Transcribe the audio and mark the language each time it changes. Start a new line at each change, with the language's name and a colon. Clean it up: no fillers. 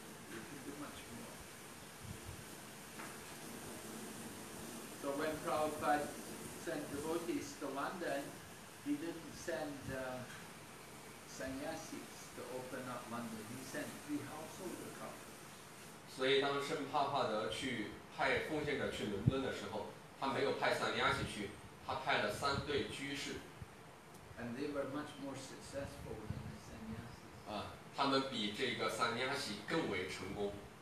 English: You can do much more. So when Prabhupada sent devotees to London, he didn't send sannyasis to open up London. He sent three household couples.
Chinese: 所以当圣帕帕德去派奉献者去伦敦的时候，他没有派sannyasi去，他派了三对居士。
English: And they were much more successful than the sannyasi.
Chinese: 啊，他们比这个sannyasi更为成功。